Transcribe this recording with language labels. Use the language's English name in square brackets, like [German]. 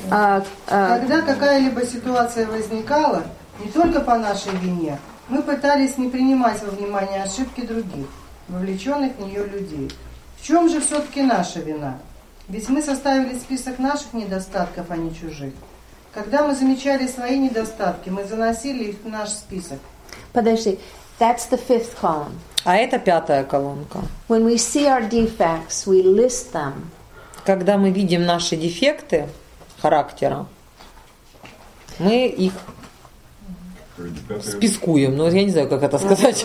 [Russian] Когда какая-либо ситуация возникала не только по нашей вине, мы пытались не принимать во внимание ошибки других, вовлеченных в нее людей. В чем же все-таки наша вина? Ведь мы составили список наших недостатков, а не чужих. Когда мы замечали свои недостатки, мы заносили их в наш список. Подожди, [English] that's the fifth column. [Russian] А это пятая колонка. [English] When we see our defects, we list them. [Russian] Когда мы видим наши дефекты характера, мы их Спискуем, ну я не знаю, как это сказать.